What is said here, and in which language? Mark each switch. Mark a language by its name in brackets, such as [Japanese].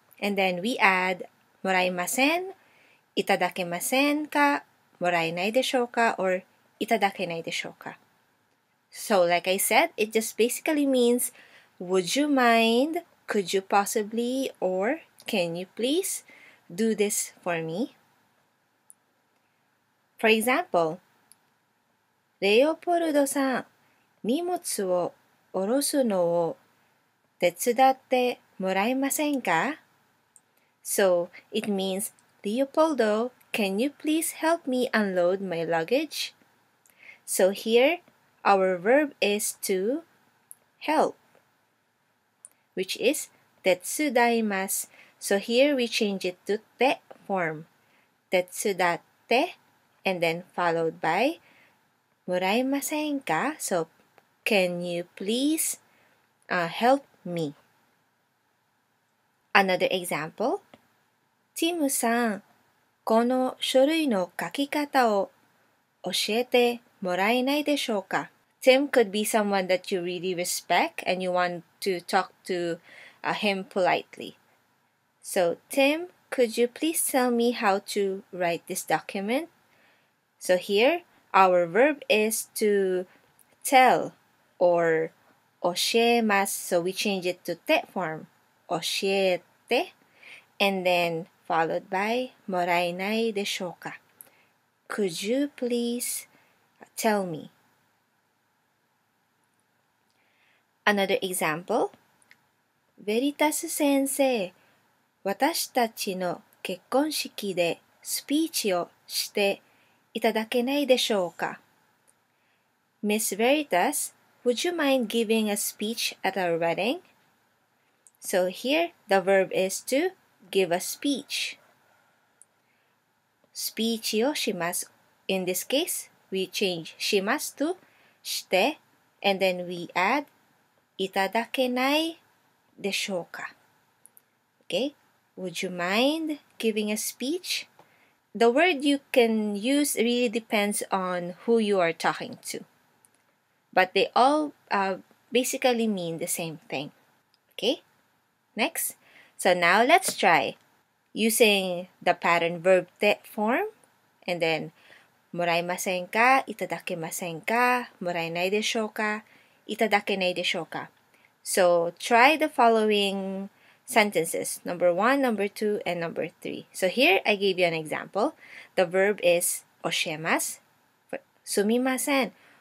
[English] And then we add [Japanese] もらえません、いただけませんか、もらえないでしょうか、 [English] or [Japanese] いただけないでしょうか。 [English] So, like I said, it just basically means would you mind, could you possibly, or can you please do this for me? For example, [Japanese] レオポルドさん、荷物を下ろすのを手伝ってもらえませんか? [English] So, it means, Leopoldo, can you please help me unload my luggage? So here, our verb is to help, which is [Japanese] 手伝います. [English] So here, we change it to て form. [Japanese] 手伝って, [English] and then followed by [Japanese] もらえませんか? [English] So, can you please help me? Another example. [Japanese] ティムさん、この書類の書き方を教えてもらえないでしょうか? [English] Tim could be someone that you really respect and you want to talk to him politely. So, Tim, could you please tell me how to write this document? So here, our verb is to tell or [Japanese] 教えます. [English] So we change it to て form. [Japanese] 教えて [English] and then... Followed by, [Japanese] もらえないでしょうか? [English] Could you please tell me? Another example. [Japanese] ベリタス先生、私たちの結婚式でスピーチをしていただけないでしょうか? [English] Miss Veritas, would you mind giving a speech at our wedding? So here, the verb is to... Give a speech. [Japanese] Speech をします. [English] In this case, we change [Japanese] します [English] to [Japanese] して, [English] and then we add [Japanese] いただけないでしょうか? [English] Okay? Would you mind giving a speech? The word you can use really depends on who you are talking to. But they all basically mean the same thing. Okay? Next. So now let's try using the pattern verb て form and then [Japanese] もらえませんか?いただけませんか? もらえないでしょうか?いただけないでしょうか? [English] So try the following sentences. Number one, number two, and number three. So here, I gave you an example. The verb is [Japanese] 教えます。すみません。